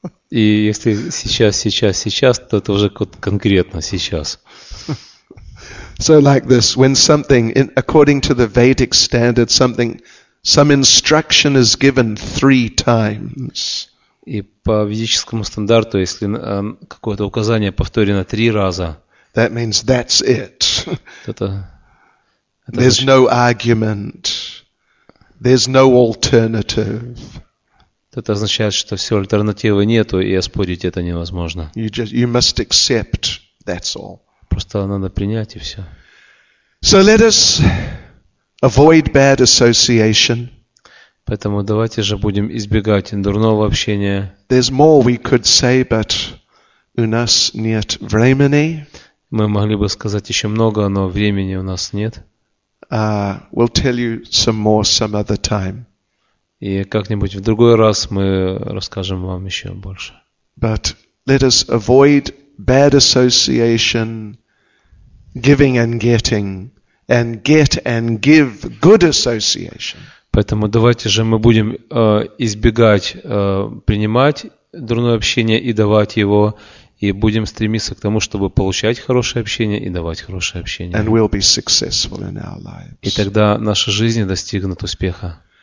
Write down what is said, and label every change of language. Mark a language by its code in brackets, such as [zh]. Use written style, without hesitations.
[ru] И если сейчас, сейчас, сейчас, то это уже конкретно сейчас. [en] So like this, when something, according to the Vedic standard, something, some instruction is given three times. [ru] И по ведическому стандарту, если какое-то указание повторено три раза. [en] That means that's it. [ru] Это [en] There's no argument. There's no alternative. [ru] Это означает, что все, альтернативы нету, и оспорить это невозможно. [en] You must accept, that's all. [ru] Просто надо принять, и все. [en] So let us avoid bad association. [ru] Поэтому давайте же будем избегать дурного общения. [en] There's more we could say, but [ru] у нас нет времени. Мы могли бы сказать еще много, но времени у нас нет. [en] We'll tell you some more some other time. [ru] И как-нибудь в другой раз мы расскажем вам еще больше. [en] But let us avoid bad association, giving and getting, and get and give good association. [ru] Поэтому давайте же мы будем избегать принимать дурное общение и давать его, и будем стремиться к тому, чтобы получать хорошее общение и давать хорошее общение. [en] And we'll be successful in our lives. [ru] И тогда наши жизни достигнут успеха.